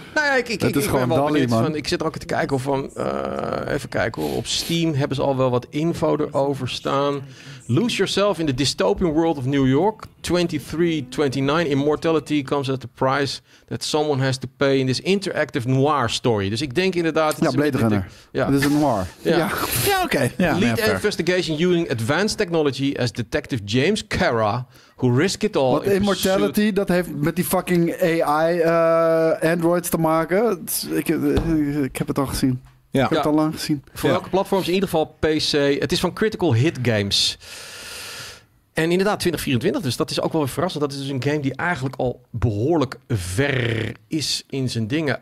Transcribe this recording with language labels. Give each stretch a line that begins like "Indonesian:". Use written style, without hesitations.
Dutch: Nou ja, ik ben wel Dali, benieuwd. Van, ik zit er ook te kijken. Even kijken hoor. Op Steam hebben ze al wel wat info erover staan.
English: Lose yourself in the dystopian world of New York. 2329. Immortality comes at the price that someone has to pay in this interactive noir story.
Dutch: Dus ik denk inderdaad... Ja, Blade Runner. Dit is een noir. Ja, oké.
English: Lead investigation using advanced advanced technology as detective James Kara, who risked it all. Want in immortality, pursuit.
Dutch: Dat heeft met die fucking AI androids te maken. Ik heb het al gezien. Ja. Ik heb het al lang gezien. Voor elke platform is in ieder geval PC. Het is van Critical Hit Games. En inderdaad, 2024, dus dat is ook wel weer verrassend. Dat is dus een game die eigenlijk al behoorlijk ver is in zijn dingen.